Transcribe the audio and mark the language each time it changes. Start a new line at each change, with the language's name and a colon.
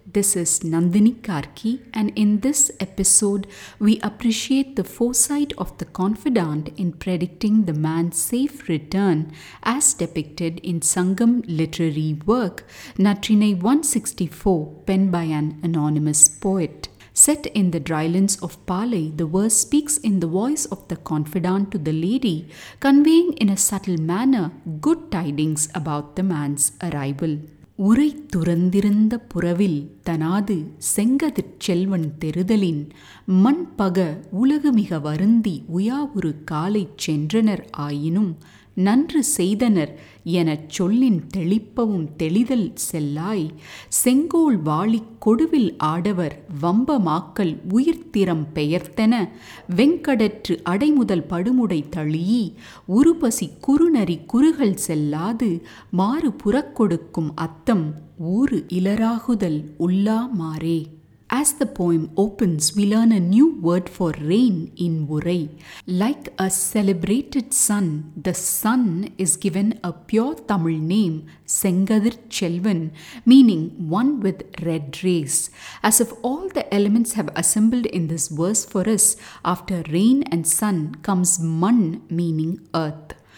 English: This is Nandini Karki, and in this episode, we appreciate the foresight of the confidante in predicting the man's safe return as depicted in Sangam literary work Natrinai 164, penned by an anonymous poet. Set in the drylands of Paalai, the verse speaks in the voice of the confidant to the lady, conveying in a subtle manner good tidings about the man's arrival.
Tamil: உரை துறந்திருந்த புறவில் தனாது செங்கதிற் செல்வன் தெருதலின் மண் பக உலகமிக வருந்தி உயாவுரு காலை சென்றனர் ஆயினும் நன்று செய்தனர் எனச் சொல்லின் தெளிப்பவும் தெளிதல் செல்லாய் செங்கோல் வாளிக் கொடுவில் ஆடவர் வம்பமாக்கல் உயிர்த்திரம் பெயர்த்தன வெங்கடற்று அடைமுதல் படுமுடை தழியி உருபசி குறுநரி குறுகள் செல்லாது மாறு புறக்கொடுக்கும் அத்தம் ஊறு இலராகுதல் உள்ளா மாறே.
English: As the poem opens, we learn a new word for rain in Urai. Like a celebrated sun, the sun is given a pure Tamil name, Sengadir Chelvan, meaning one with red rays. As if all the elements have assembled in this verse for us, after rain and sun comes man, meaning earth.